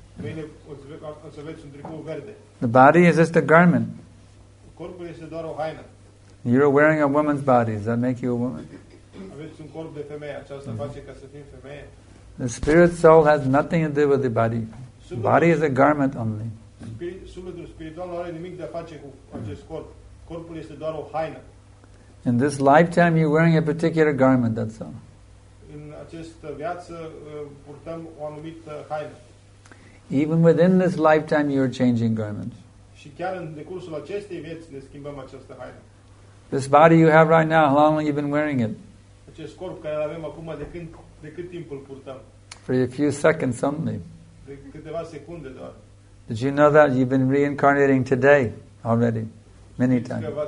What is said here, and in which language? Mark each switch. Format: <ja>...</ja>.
<ro>Mâine o să aveți un tricou verde.</ro> <en>The body is just a garment.</en> <ro>Corpul este doar o haină.</ro> <en>You're wearing a woman's body. Does that make you a woman?</en> <ro>Aveți un corp de femeie. Aceasta face ca să fim femeie.</ro> <en>The spirit soul has nothing to do with the body. The body is a garment only.</en> <ro>Sufletul spiritual nu are nimic de a face cu acest corp. Corpul este doar o haină.</ro> <en>In this lifetime you're wearing a particular garment, that's all.</en> <ro>In această viață purtăm o anumită haină.</ro> <en>Even within this lifetime you're changing garments.</en> <ro>Și chiar în decursul acestei vieți ne schimbăm această haină.</ro> <en>This body you have right now, how long have you been wearing it?</en> <ro>Acest corp care îl avem acum, de cât timp îl purtăm?</ro> <en>For a few seconds only.</en> <ro>De câteva secunde doar.</ro> <en>Did you know that you've been reincarnating today already? Many times.</en>